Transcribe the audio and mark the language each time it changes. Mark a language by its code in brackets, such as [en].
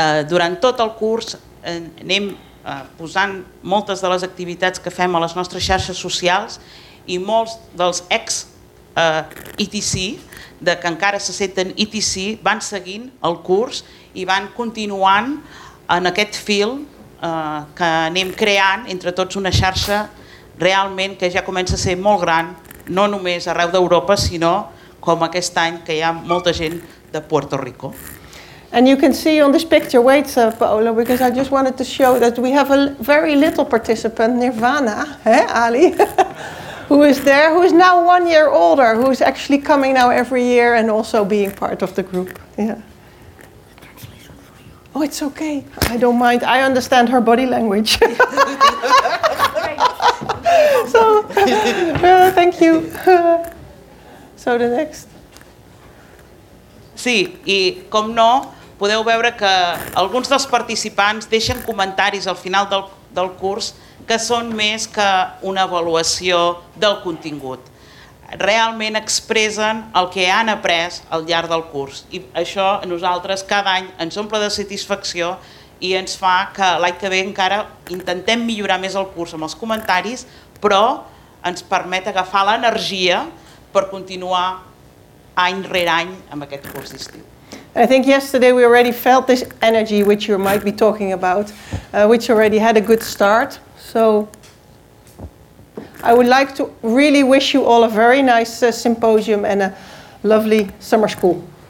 [ca] Durant tot el curs anem posant moltes de les activitats que fem a les nostres xarxes socials, i molts dels ex ITC, de que encara se senten ITC, van seguint el curs i van continuant en aquest fil que anem creant entre tots, una xarxa realment que ja comença a ser molt gran, no només arreu d'Europa, sinó com aquest any que hi ha molta gent de Puerto Rico. [en] And you can see on this picture, wait, Paola, because I just wanted to show that we have a very little participant, Nirvana, eh, Ali, who is there, who is now 1 year older, who is actually coming now every year and also being part of the group. Yeah. Oh, it's okay. I don't mind. I understand her body language. So, thank you. So the next. [ca] Sí, i com no, podeu veure que alguns dels participants deixen comentaris al final del curs que són més que una avaluació del contingut. Realment expressen el que han après al llarg del curs. I això a nosaltres cada any ens omple de satisfacció i ens fa que l'any que ve encara intentem millorar més el curs amb els comentaris, però ens permet agafar l'energia per continuar any rere any amb aquest curs d'estiu. [en] I think yesterday we already felt this energy which you might be talking about, which already had a good start. So I would like to really wish you all a very nice symposium and a lovely summer school.